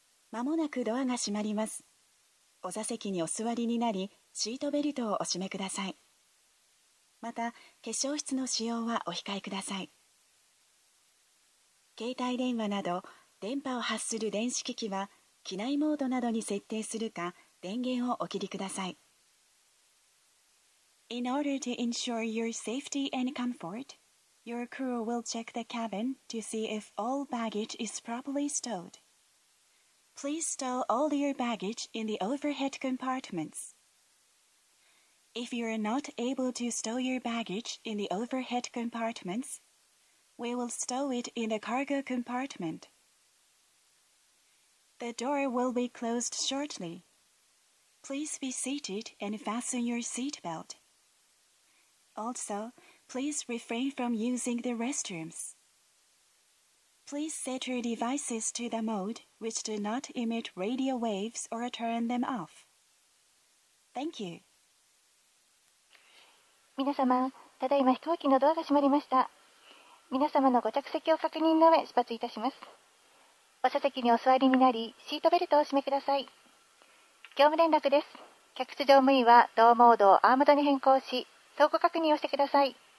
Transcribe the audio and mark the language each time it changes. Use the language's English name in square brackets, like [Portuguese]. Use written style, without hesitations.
[Japanese] まもなくドアが閉まります。お座席にお座りになり、シートベルトをお締めください。また化粧室の使用はお控えください。携帯電話など電波を発する電子機器は機内モードなどに設定するか電源をお切りください。 [English] In order to ensure your safety and comfort, your crew will check the cabin to see if all baggage is properly stowed. Please stow all your baggage in the overhead compartments. If you are not able to stow your baggage in the overhead compartments, we will stow it in the cargo compartment. The door will be closed shortly. Please be seated and fasten your seatbelt. Also, please refrain from using the restrooms. Please set your devices to the mode which do not emit radio waves or turn them off. Thank you. [Japanese] 皆様、ただいま飛行機のドアが閉まりました。皆様のご着席を確認の上、出発いたします。お座席にお座りになり、シートベルトをお締めください。業務連絡です。客室乗務員は同モードをアームドに変更し、相互確認をしてください。